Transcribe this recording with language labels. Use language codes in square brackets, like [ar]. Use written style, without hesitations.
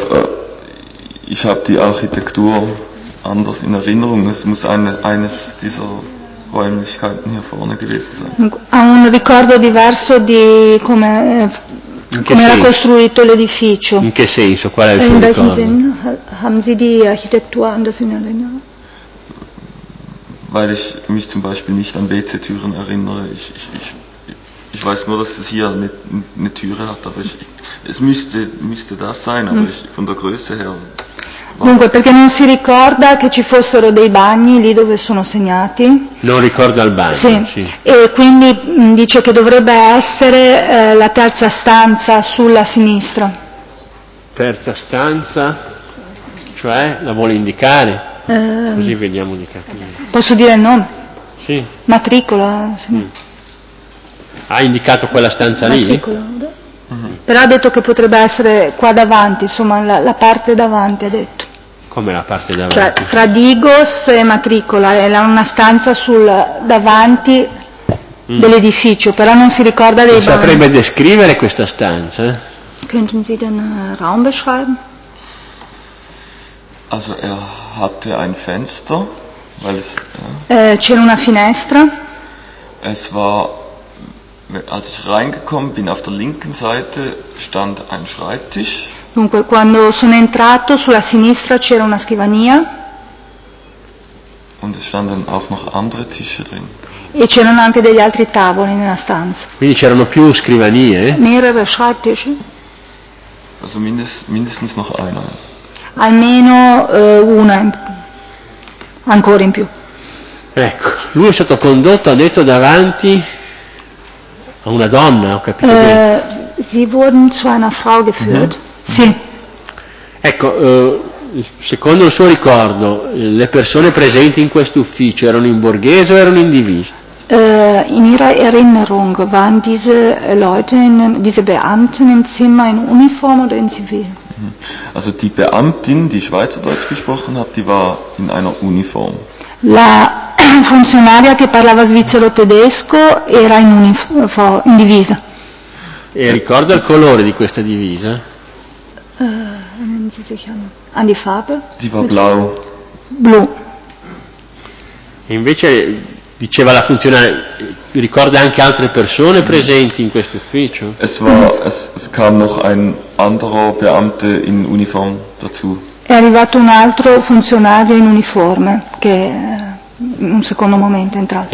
[de] Also ich habe die Architektur anders in Erinnerung. Es muss eines dieser Räumlichkeiten hier vorne gewesen sein. [it] Un ricordo diverso di come come era costruito l'edificio. In che senso? Qual è il suo ricordo? [de] Haben Sie die Architektur anders in Erinnerung? Weil ich mich zum Beispiel nicht an WC-Türen erinnere. Ich weiß nur, dass es hier eine Türe hat, aber es müsste das sein, aber ich von der Größe her. [it] Dunque, perché non si ricorda che ci fossero dei bagni lì dove sono segnati? Non ricorda il bagno, sì. E quindi dice che dovrebbe essere la terza stanza sulla sinistra. Terza stanza, cioè la vuole indicare? Così vediamo di capire. Posso dire il nome? Sì. Matricola, sì. Ha indicato quella stanza lì? Matricola, però ha detto che potrebbe essere qua davanti, insomma la parte davanti, ha detto. Come la parte davanti? Cioè fra Digos e Matricola, è una stanza sul davanti dell'edificio, però non si ricorda dei bagni. Saprebbe descrivere questa stanza? [de] Könnten Sie den Raum beschreiben? Also er hatte ein Fenster, weil es, [it] c'era una finestra. [de] Es war, als ich reingekommen bin, auf der linken Seite stand ein Schreibtisch. [it] Dunque, quando sono entrato, sulla sinistra c'era una scrivania. [de] Und es standen auch noch andere Tische drin. [it] E c'erano anche degli altri tavoli nella stanza. Quindi c'erano più scrivanie. [de] Mehrere Schreibtische. Also mindestens noch einer. [it] Almeno una ancora in più. Ecco, lui è stato condotto, ha detto, davanti a una donna, ho capito bene. [de] Sie wurden zu einer Frau geführt. [it] Mm-hmm. Sì. Ecco, secondo il suo ricordo, le persone presenti in questo ufficio erano in borghese o erano in divisa? [de] In ihrer Erinnerung waren diese Leute, diese Beamten im Zimmer in Uniform oder in Zivil? Also die Beamtin, die Schweizerdeutsch gesprochen hat, die war in einer Uniform. [it] La funzionaria che parlava svizzero tedesco era in uniform, in divisa. E ricorda il colore di questa divisa? [de] Erinnern Sie sich an die Farbe? Die war blau. [it] Blu. E invece diceva la funzionaria, ricorda anche altre persone presenti in questo ufficio? [de] Es war, es kam noch ein anderer Beamte in Uniform dazu. [it] È arrivato un altro funzionario in uniforme, che in un secondo momento è entrato.